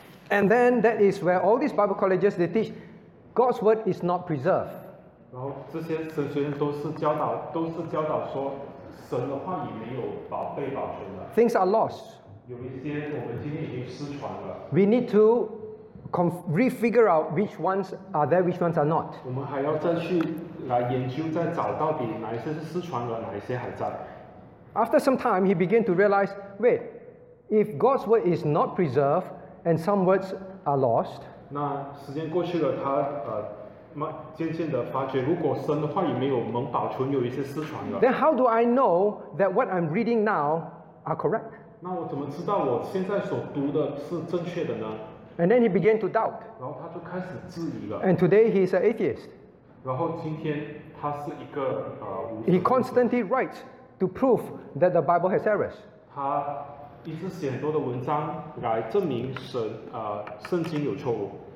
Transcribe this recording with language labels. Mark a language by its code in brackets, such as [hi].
[en] And then that is where all these Bible colleges, they teach God's word is not preserved. [zh] 然后这些神学院都是教导说神的话语没有保被保存的。 [en] Things are lost. [zh] 有一些我们今天已经失传了。 [en] We need to refigure out which ones are there, which ones are not. [zh] 我们还要再去来研究，再找到底哪一些是失传的，哪一些还在。 [en] After some time, he began to realize, wait, if God's word is not preserved and some words are lost, [zh] 那时间过去了，他渐渐地发觉，如果神的话语没有蒙保存，有一些失传了。 [en] Then how do I know that what I'm reading now are correct? [zh] 那我怎么知道我现在所读的是正确的呢？ [en] And then he began to doubt. [zh] 然后他就开始质疑了。 [en] And today he is an atheist. [zh] 然后今天他是一个无神论 [en] 者。He constantly writes. To prove that the Bible has errors. [zh] 他一直写很多的文章来证明神圣经有错误。